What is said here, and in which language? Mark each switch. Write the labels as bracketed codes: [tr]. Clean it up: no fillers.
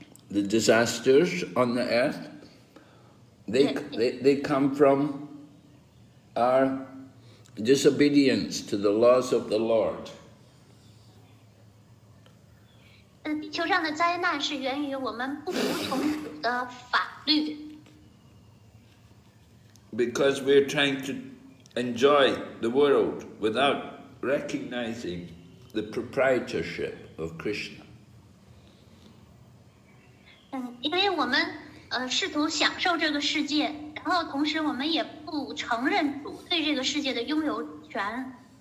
[en] The disasters on the earth, they come from our disobedience to the laws of the Lord. [zh] 地球上的灾难是源于我们不服从主的法律 [en] Because we're trying to enjoy the world without recognizing the proprietorship of Krishna. [zh] 因为我们试图享受这个世界，然后同时我们也不承认主对这个世界的拥有权。